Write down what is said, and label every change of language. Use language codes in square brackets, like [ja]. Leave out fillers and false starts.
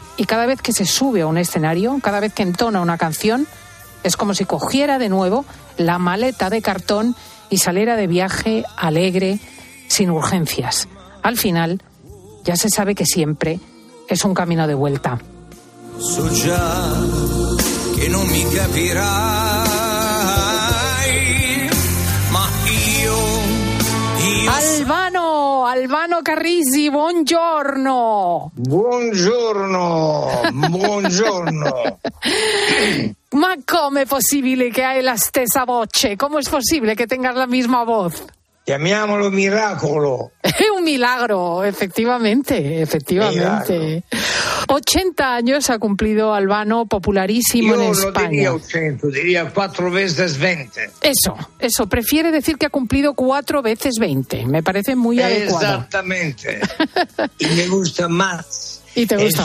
[es] Y cada vez que se sube a un escenario, cada vez que entona una canción, es como si cogiera de nuevo la maleta de cartón y saliera de viaje alegre, sin urgencias. Al final, ya se sabe que siempre es un camino de vuelta. [it] So già che non mi capirai, ma io... Albano, Albano Carrisi, buongiorno. Buongiorno, buongiorno. Ma come è possibile che hai la stessa voce? [es] Come è possibile che tengas la misma voz? [it] Chiamiamolo miracolo. È un milagro, effettivamente, effettivamente. [es] Milagro. 80 años ha cumplido Albano, popularísimo en España. [it] Io non [es] diría 80, diría 4 veces 20. Eso, eso, prefiere decir que ha cumplido 4 veces 20. Me parece muy adecuado. Exactamente. Y me gusta más. Y te gusta